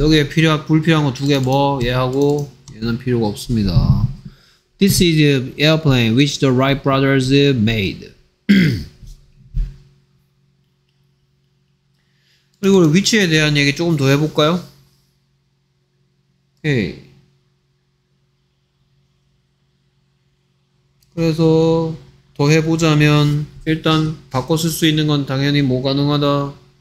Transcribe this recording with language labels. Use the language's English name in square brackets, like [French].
[Korean] 여기에 불필요한 거 두 개 뭐 얘하고 얘는 필요가 없습니다. [English] This is the airplane which the Wright brothers made. [Korean] 그리고 위치에 대한 얘기 조금 더 해볼까요? 오케이. 그래서 더 해보자면 일단 바꿔 쓸 수 있는 건 당연히 뭐 가능하다.